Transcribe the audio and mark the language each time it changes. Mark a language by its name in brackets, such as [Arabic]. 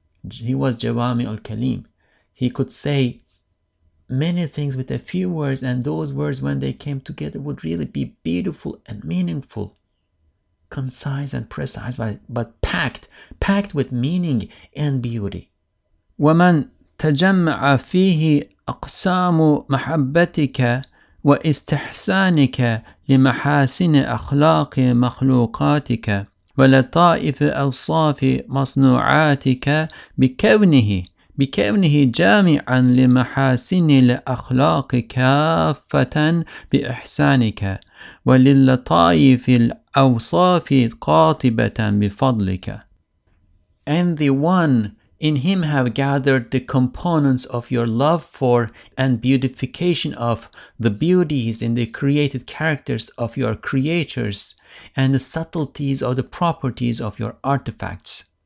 [English] He was Jawami al-Kalim. He could say many things with a few words, and those words, when they came together, would really be beautiful and meaningful, concise and precise, but packed with meaning and beauty. [Arabic] وَمَنْ تَجَمَّعَ فِيهِ أقسام محبتك واستحسانك لمحاسن أخلاق مخلوقاتك ولطائف أوصاف مصنوعاتك بكونه جامعا لمحاسن الأخلاق كافة بإحسانك وللطائف الأوصاف قاطبة بفضلك. [English] And the one, in him have gathered the components of your love for and beautification of the beauties in the created characters of your creatures and the subtleties or the properties of your artifacts.